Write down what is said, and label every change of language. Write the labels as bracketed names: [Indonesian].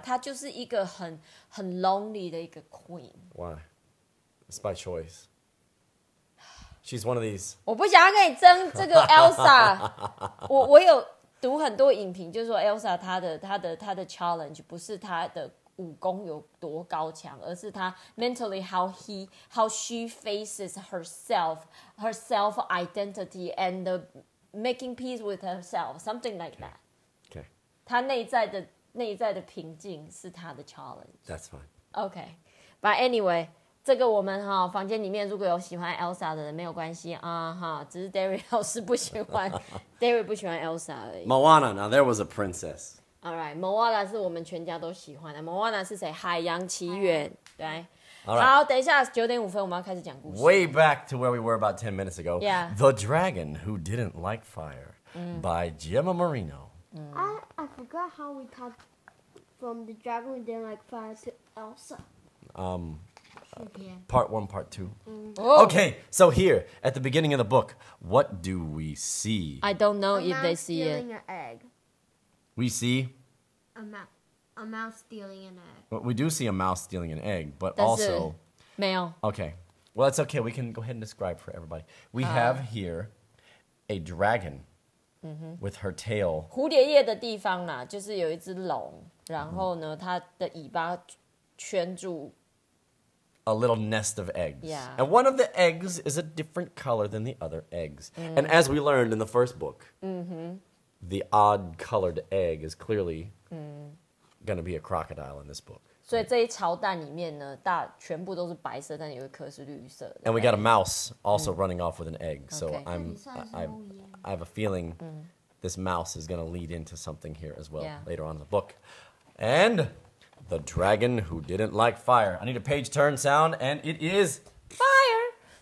[Chinese] 她就是一个很 lonely 的一个 queen. [English] Why? It's by choice. She's one of these. [Chinese] 我不想要跟你争这个 Elsa. 我有读很多影评，就是说 Elsa 她的 challenge 不是她的。武功有多高强，而是他 [English] mentally how she faces herself, her self identity and the making peace with herself, something like that. Okay. [Chinese] 他内在的平静是他的 challenge. [English] That's fine. Okay, but anyway, [Chinese] 这个我们哈房间里面如果有喜欢 Elsa 的人没有关系啊哈，只是 Derry 老师不喜欢Derry 不喜欢 Elsa 而已。 [English] Moana, now there was a princess. All right, [Chinese] Moana 是我们全家都喜欢的。 Moana 是谁？海洋奇缘。对。 [English] All [Chinese] right. 好，等一下九点五分我们要开始讲故事。 [English] Way back to where we were about 10 minutes ago. Yeah. The Dragon Who Didn't Like Fire、 mm. by Gemma Marino.、 Mm. I forgot how we talked from the dragon who didn't like fire to Elsa. Part one, part two. Mm-hmm. Okay, so here, at the beginning of the book, what do we see? I don't know if they see it. A mouse stealing an egg. We see? A mouse stealing an egg. Well, we do see a mouse stealing an egg, but that's also... a male. Okay, well, that's okay. We can go ahead and describe for everybody. We have here a dragon. Mm-hmm. With her tail. [Chinese] 蝴蝶叶的地方啦，就是有一只龙，然后呢，它的尾巴圈住。 [English] A little nest of eggs. Yeah. And one of the eggs is a different color than the other eggs. Mm-hmm. And as we learned in the first book, the odd colored egg is clearly going to be a crocodile in this book. [Chinese] 所以这一巢蛋里面呢，大全部都是白色，但有一颗是绿色的。 [English] And we got a mouse also running off with an egg. So okay. I have a feeling this mouse is going to lead into something here as well later on in the book. And the dragon who didn't like fire. I need a page turn sound, and it is fire.